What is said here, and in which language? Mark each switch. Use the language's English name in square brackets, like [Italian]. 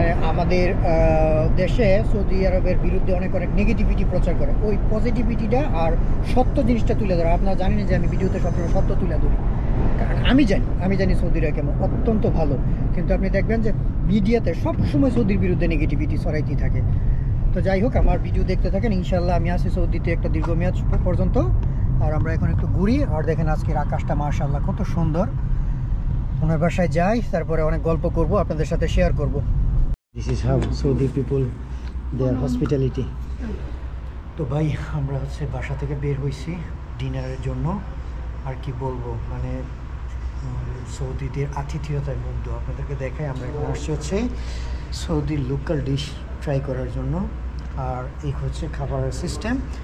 [Bangla] আমাদের দেশে সৌদি আরবের বিরুদ্ধে অনেক অনেক নেগেটিভিটি প্রচার করে ওই পজিটিভিটিটা আর সত্য জিনিসটা তুলে ধরো আপনারা জানেন যে আমি ভিডিওতে সবসময় সত্য তুলে ধরি কারণ আমি জানি সৌদিরা কেমন অত্যন্ত ভালো কিন্তু আপনি দেখবেন যে মিডিয়াতে সবসময় সৌদির বিরুদ্ধে নেগেটিভিটি ছড়াইতেই থাকে তো যাই হোক আমার ভিডিও দেখতে থাকেন ইনশাল্লাহ আমি আসি সৌদিতে একটা দীর্ঘমেয়াদ পর্যন্ত আর আমরা এখন একটু ঘুরি আর দেখেন আজকের আকাশটা মাশাআল্লাহ কত সুন্দর ওনার বাসায় যাই, তারপরে অনেক গল্প করব, আপনাদের সাথে শেয়ার করব। [English] This is how Saudi people their hospitality. [Bangla] তো ভাই আমরা হচ্ছে বাসা থেকে বের হইছি ডিনারের জন্য, আর কি বলবো, মানে সৌদিদের আতিথ্যতায় মুগ্ধ। আপনাদেরকে দেখাই আমরা এখন আসছি হচ্ছে সৌদির লোকাল ডিশ ট্রাই করার জন্য, আর এই হচ্ছে খাবারের সিস্টেম।